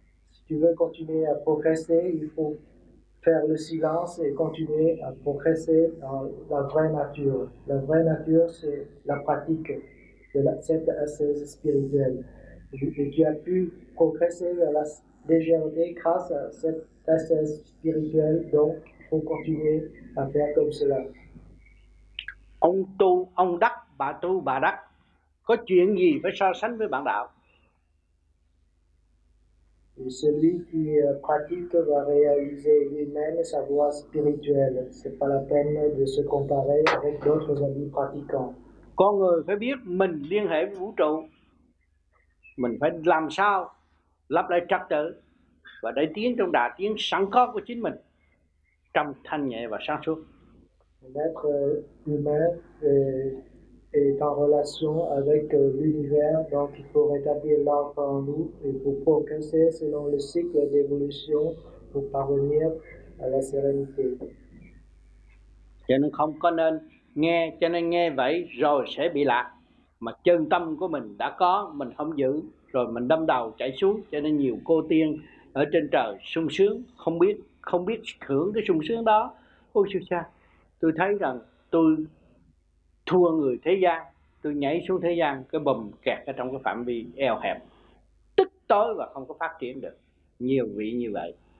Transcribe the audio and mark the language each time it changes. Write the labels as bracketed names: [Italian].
[French] Si tu veux continuer à progresser, il faut faire le silence et continuer à progresser dans la vraie nature. La vraie nature, c'est la pratique de cette ascèse spirituelle. Et tu as pu progresser vers la légèreté grâce à cette ascèse spirituelle, donc il faut continuer à faire comme cela. [Vietnamese] Ông tu, ông đắc, bà tu, bà đắc, có chuyện gì phải so sánh với bạn đạo? [French] Et celui qui pratique va réaliser lui-même sa voie spirituelle. Ce n'est pas la peine de se comparer avec d'autres amis pratiquants. [Vietnamese] Con người phải biết mình liên hệ với vũ trụ. Mình phải làm sao lập lại trật tự và để tiến trong đà tiến sẵn có của chính mình trong thanh nhẹ và sáng suốt. [French] L'être humain est en relation avec l'univers, donc il faut rétablir l'ordre en nous et pour progresser selon le cycle d'évolution pour parvenir à la sérénité. [Vietnamese] Cho nên không có nên nghe, cho nên nghe vậy rồi sẽ bị lạc. Mà chân tâm của mình đã có, mình không giữ, rồi mình đâm đầu chạy xuống, cho nên nhiều cô tiên ở trên trời sung sướng, không biết hưởng cái sung sướng đó. Ôi sư cha, tôi thấy rằng tôi thua người thế gian, tôi nhảy xuống thế gian, cái bùm kẹt ở trong cái phạm vi eo hẹp, tức tối và không có phát triển được. Nhiều vị như vậy.